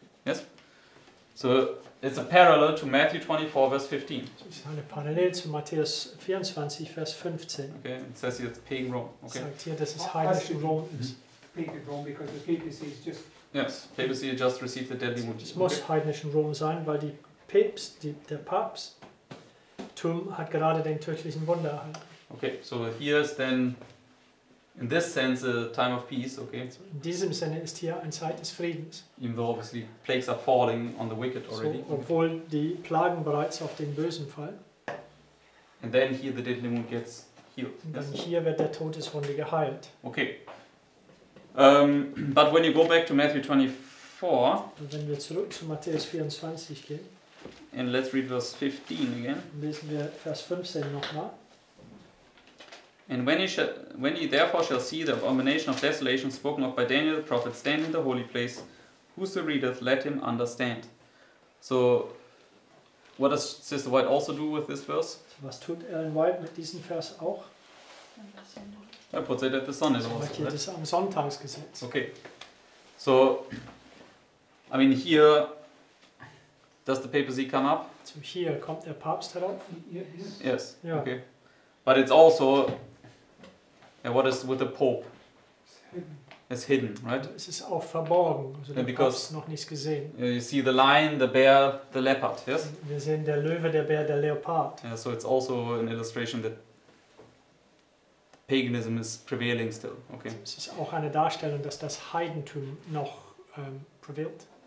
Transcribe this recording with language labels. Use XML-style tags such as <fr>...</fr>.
<en>Yes? So, it's a parallel to Matthew 24, verse 15.</en> <de>Es ist eine Parallel zu Matthäus 24, Vers 15.</de> <en>Okay, it says here it's pagan Rome. Okay.</en> <de>Sagt hier, dass es heidnische Rom ist.</de> <en>Pagan Rome, because the papacy is just... Yes, papacy has just received the deadly wound.</en> <de>Es muss heidnischen Rom sein, weil die Papst, der Papsttum hat gerade den tödlichen Wunder erhalten.</de> <en>Okay, so here is then, in this sense, a time of peace, okay? So</en> <de>in diesem Sinne ist hier ein Zeit des Friedens.</de> <en>Even though obviously plagues are falling on the wicked already.</en> <de>So, obwohl die Plagen bereits auf den Bösen fallen.</de> <en>And then here the deadly wound gets healed.</en> <de>Und dann hier wird der Todeswunde geheilt.</de> <en>Okay. But when you go back to Matthew 24.</en> <de>Und wenn wir zurück zu Matthäus 24 gehen.</de> <en>And let's read verse 15 again.</en> <de>Lesen wir Vers 15 nochmal.</de> <en>And when ye therefore shall see the abomination of desolation spoken of by Daniel the prophet stand in the holy place, whoso readeth, let him understand. So, what does Sister White also do with this verse? So,</en> <de>was tut Ellen White mit diesem Vers auch?</de> <en>I put it at the Sunday. So,</en> <de>hier das am Sonntagsgesetz.</de> <en>Okay. So, I mean, here, does the papacy come up?</en> <de>So, hier kommt der Papst herauf.</de> <en>Yes. Yeah. Okay. But it's also... And what is with the Pope? It's hidden, right?</en> <de>Es ist auch verborgen, also der Papst noch nicht gesehen.</de> <en>You see the lion, the bear, the leopard, yes?</en> <de>Wir sehen der Löwe, der Bär, der Leopard.</de> <en>Yeah, so it's also an illustration that paganism is prevailing still, okay?</en> <de>Es ist auch eine Darstellung, dass das Heidentum noch prevailt.</de>